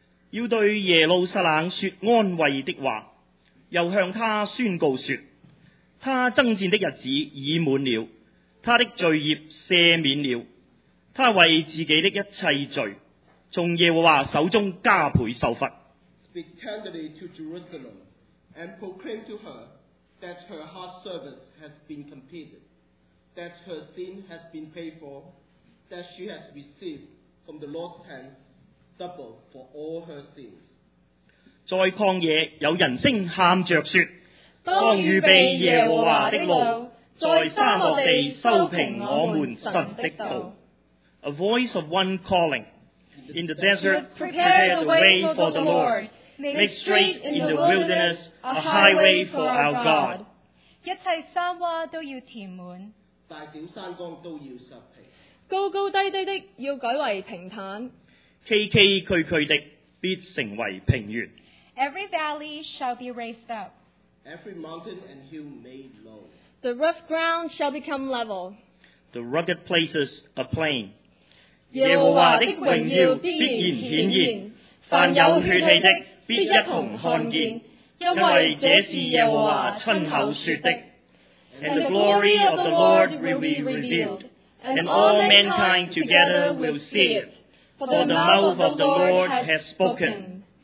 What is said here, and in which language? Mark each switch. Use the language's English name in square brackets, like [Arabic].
[Chinese] 要对耶路撒冷说安慰的话，又向他宣告说，他征战的日子已满了，他的罪孽赦免了，他为自己的一切罪，从耶和华手中加倍受罚。 [English] Speak tenderly to Jerusalem and proclaim to her that her hard service has been completed, that her sin has been paid for, that she has received from the Lord's hand double for all her sins. [Chinese] 在旷野有人声喊着说，当预备耶和华的路，在沙漠地修平我们神的道。 [English] A voice of one calling, in the desert prepare the way for the Lord. Make straight in the wilderness a highway for our God. [Chinese] 一切山洼都要填满，大小山岗都要拾平，高高低低的要改为平坦，崎崎岖岖的必成为平原。 [English] Every valley shall be raised up. Every mountain and hill made low. The rough ground shall become level. The rugged places a plain. [Chinese] 耶和华的荣耀必然显现，凡有血气的必一同看见，因为这是耶和华亲口说的。 [English] And the glory of the Lord will be revealed, and all mankind together will see it, for the mouth of the Lord has spoken.